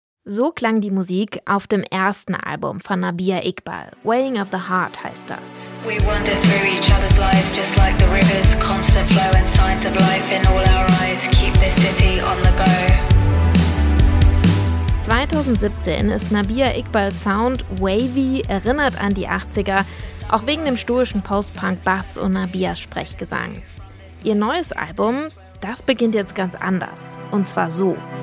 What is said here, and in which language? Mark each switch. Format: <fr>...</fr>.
<de>So klang die Musik auf dem ersten Album von Nabiha Iqbal. Weighing of the Heart heißt das.</de> <en>We wander through each other's lives just like the rivers. Constant flow and signs of life in all our eyes. Keep this city on the go.</en> <de>2017 ist Nabiha Iqbals Sound wavy, erinnert an die 80er, auch wegen dem stoischen Post-Punk-Bass und Nabias Sprechgesang. Ihr neues Album, das beginnt jetzt ganz anders. Und zwar so.</de>